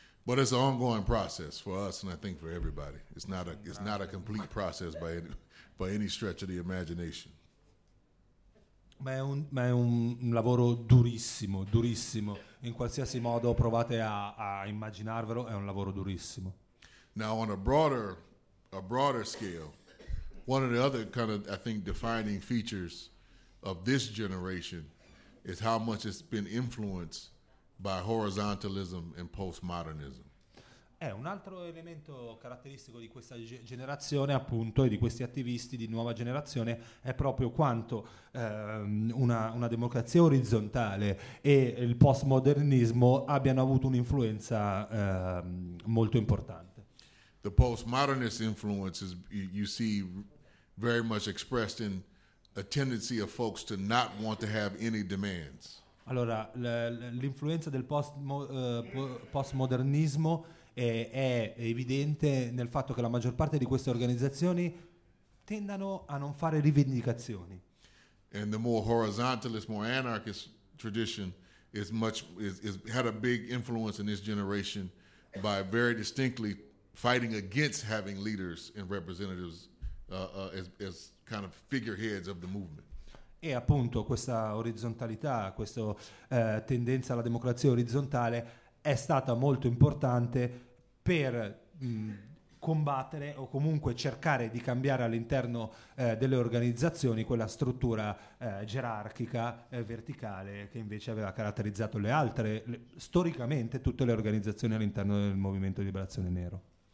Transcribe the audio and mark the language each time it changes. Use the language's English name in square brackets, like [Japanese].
[English] But it's an ongoing process for us and I think for everybody. It's not a complete process by any stretch of the imagination. [Italian] Ma è un lavoro durissimo, durissimo. In qualsiasi modo provate a immaginarvelo, è un lavoro durissimo. [English] Now on a broader scale, one of the other kind of, I think, defining features of this generation is how much it's been influenced by horizontalism and postmodernism. [Italian] Un altro elemento caratteristico di questa generazione, appunto, e di questi attivisti di nuova generazione è proprio quanto una democrazia orizzontale e il postmodernismo abbiano avuto un'influenza molto importante. [English] The postmodernist influence is you see very much expressed in a tendency of folks to not want to have any demands. [Italian] Allora, l'influenza del postmodernismo è evidente nel fatto che la maggior parte di queste organizzazioni tendano a non fare rivendicazioni. [English] And the more horizontalist, more anarchist tradition is had a big influence in this generation by very distinctly fighting against having leaders and representatives as kind of figureheads of the movement. [Italian] E appunto questa orizzontalità, questa tendenza alla democrazia orizzontale è stata molto importante per combattere o comunque cercare di cambiare all'interno delle organizzazioni quella struttura gerarchica verticale che invece aveva caratterizzato le altre, storicamente tutte le organizzazioni all'interno del Movimento di Liberazione Nero.